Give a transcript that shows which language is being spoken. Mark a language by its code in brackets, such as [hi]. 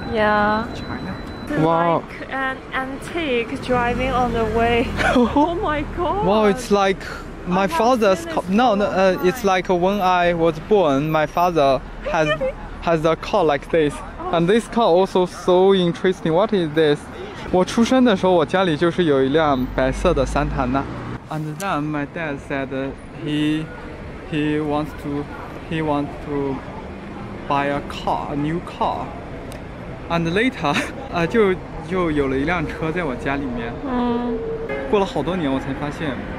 [en] Yeah. China. Wow. Like an antique driving on the way. Oh my god. Wow, it's like my father's car. It's like when I was born, my father has a car like this. Oh. And this car also so interesting. What is this? [zh] 我出生的时候，我家里就是有一辆白色的桑塔纳。 [en] And then my dad said he wants to buy a car, a new car. And later, [zh] 就有了一辆车在我家里面。过了好多年，我才发现。